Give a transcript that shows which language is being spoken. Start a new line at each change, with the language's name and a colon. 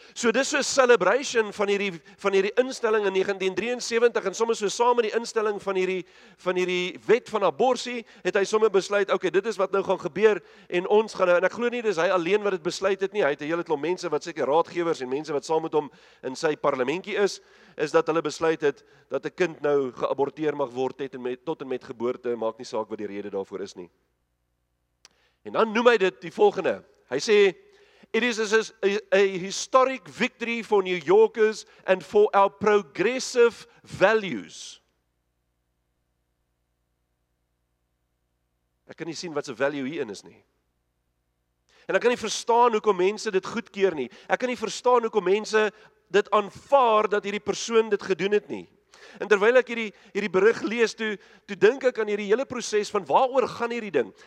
Afrikaans: So dis so 'n celebration van hierdie instelling in 1973 en sommer so saam met die instelling van hierdie wet van abortus het hy sommer besluit, okay, dit is wat nou gaan gebeur en ons gaan nou, en ek glo nie dis hy alleen wat dit besluit het nie, hy het 'n hele klomp mense wat seker raadgewers en mense wat saam met hom in sy parlementjie is dat hulle besluit het dat 'n kind nou geaborteer mag word tot en met geboorte, maak nie saak wat die rede daarvoor is nie. En dan noem hy dit die volgende.
English: Hy sê, it is a historic victory for New Yorkers and for our progressive values.
Afrikaans: Ek kan nie sien wat se value hierin is nie. En ek kan nie verstaan hoekom mense dit goedkeur nie. Ek kan nie verstaan hoekom mense dit aanvaar dat hierdie persoon dit gedoen het nie. En terwyl ek hierdie berig lees, toe dink ek aan hierdie hele proses van waaroor gaan hierdie ding.